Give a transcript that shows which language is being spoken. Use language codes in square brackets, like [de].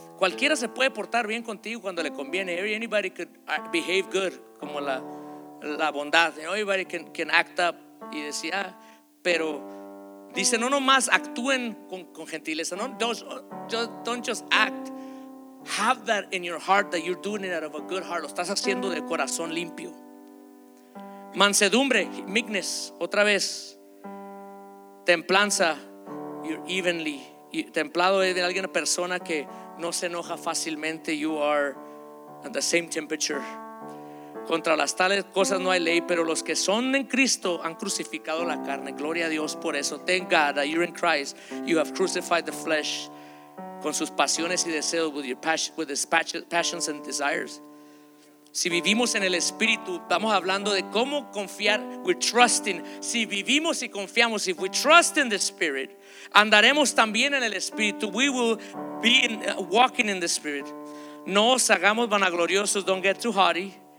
[es] Cualquiera se puede portar bien contigo cuando le conviene. [en] Anybody could behave good, [es] como la bondad. [en] Anybody can act up. [es] Y decía, pero dice, no nomás actúen con gentileza. [en] No, don't just act. Have that in your heart that you're doing it out of a good heart. [es] Lo estás haciendo de corazón limpio. Mansedumbre, meekness, otra vez. [en] Templanza, you're evenly. [es] Templado es de alguien, una persona que no se enoja fácilmente. [en] You are at the same temperature. [es] Contra las tales cosas no hay ley, pero los que son en Cristo han crucificado la carne. Gloria a Dios por eso. [en] Thank God that you're in Christ. You have crucified the flesh [es] con sus pasiones y deseos, [en] with your passion, with his passions and desires. [es] Si vivimos en el Espíritu, estamos hablando de cómo confiar. [en] We're trusting. [es] Si vivimos y confiamos, [en] if we trust in the Spirit, [es] andaremos también en el Espíritu. [en] We will be walking in the Spirit. [es] No os hagamos vanagloriosos. [en] Don't get too haughty.